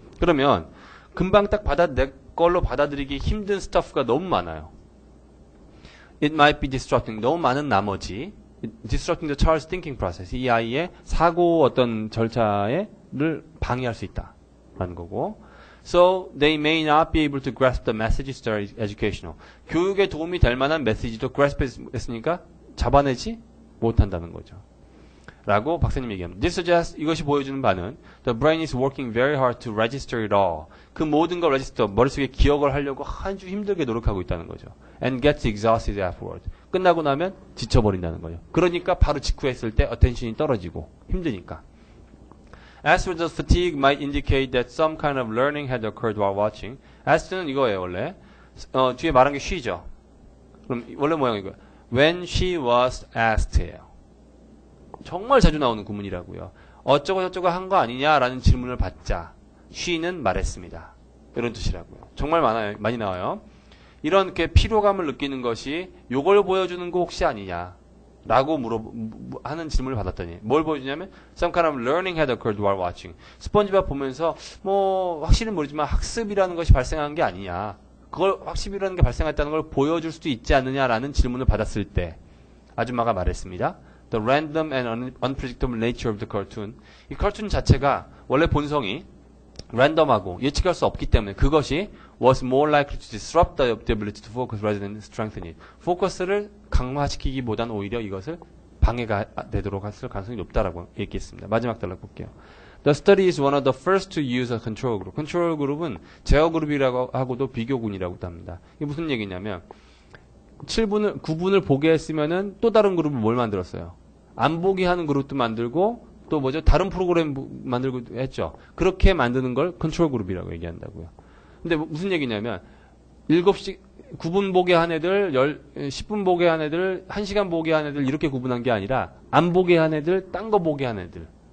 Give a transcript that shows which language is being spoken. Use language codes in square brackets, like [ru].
[ko] 그러면 금방 딱 받아 내 걸로 받아들이기 힘든 stuff가 너무 많아요. [en] It might be disrupting. [ko] 너무 많은 나머지 [en] disrupting the child's thinking process. [ko] 이 아이의 사고 어떤 절차를 방해할 수 있다라는 거고. [en] So they may not be able to grasp the messages that are educational. [ko] 교육에 도움이 될 만한 메시지도 grasp 했으니까 잡아내지 못한다는 거죠. 라고 박사님 얘기합니다. [en] This suggests, [ko] 이것이 보여주는 바는 [en] the brain is working very hard to register it all. [ko] 그 모든 걸 register, 머릿속에 기억을 하려고 아주 힘들게 노력하고 있다는 거죠. [en] And gets exhausted afterward. [ko] 끝나고 나면 지쳐버린다는 거죠. 그러니까 바로 직후에 했을 때 attention이 떨어지고 힘드니까. [en] As for the fatigue might indicate that some kind of learning had occurred while watching. [ko] As는 이거예요, 원래. 뒤에 말한 게 she죠. 그럼 원래 모양이 이거예요. [en] When she was asked예요. [ko] 정말 자주 나오는 구문이라고요. 어쩌고 저쩌고 한 거 아니냐라는 질문을 받자 she는 말했습니다. 이런 뜻이라고요. 정말 많아요. 많이 나와요. 이런 게 피로감을 느끼는 것이 요걸 보여주는 거 혹시 아니냐 라고 하는 질문을 받았더니 뭘 보여주냐면 [en] some kind of learning had occurred while watching. [ko] 스펀지밥 보면서 뭐 확실히 모르지만 학습이라는 것이 발생한 게 아니냐, 그걸 학습이라는 게 발생했다는 걸 보여줄 수도 있지 않느냐라는 질문을 받았을 때 아줌마가 말했습니다. [en] The random and unpredictable nature of the cartoon. [ko] 이 cartoon 자체가 원래 본성이 random하고 예측할 수 없기 때문에 그것이 [en] was more likely to disrupt the ability to focus rather than strengthen it. [ko] focus를 강화시키기보단 오히려 이것을 방해가 되도록 했을 가능성이 높다라고 얘기했습니다. 마지막 달락 볼게요. [en] The study is one of the first to use a control group. [ko] control group은 제어 그룹이라고 하고도 비교군이라고도 합니다. 이게 무슨 얘기냐면 9분을 보게 했으면은 또 다른 그룹을 뭘 만들었어요? 안 보게 하는 그룹도 만들고 또 뭐죠? 다른 프로그램 만들고 했죠. 그렇게 만드는 걸 컨트롤 그룹이라고 얘기한다고요. 근데 무슨 얘기냐면 7시 9분 보게 한 애들, 10분 보게 한 애들, 1시간 보게 한 애들 이렇게 구분한 게 아니라 안 보게 한 애들, 딴 거 보게 한 애들.